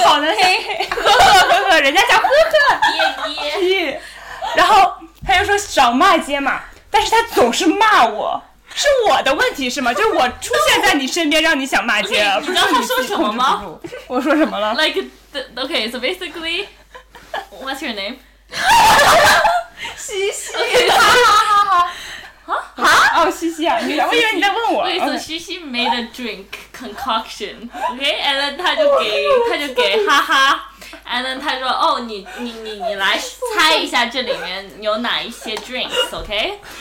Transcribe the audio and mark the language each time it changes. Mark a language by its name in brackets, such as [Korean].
[Chinese] 好难听呵呵人家讲呵呵然后他就说少骂街嘛但是他总是骂我是我的问题是吗就我出现在你身边让你想骂街了 okay, 不是你知道他说什么吗我说什么了 [English] like the, okay so basically what's your name [Chinese] 西西哈哈哈哈哈哈啊，哦，西西啊，你我以为你在问我。对，所以西西 [English] made a drink concoction， OK， and then [Chinese] 他就给他就给哈哈。 [English] And then [Chinese] 他说，哦，你来猜一下这里面有哪一些 drinks， OK？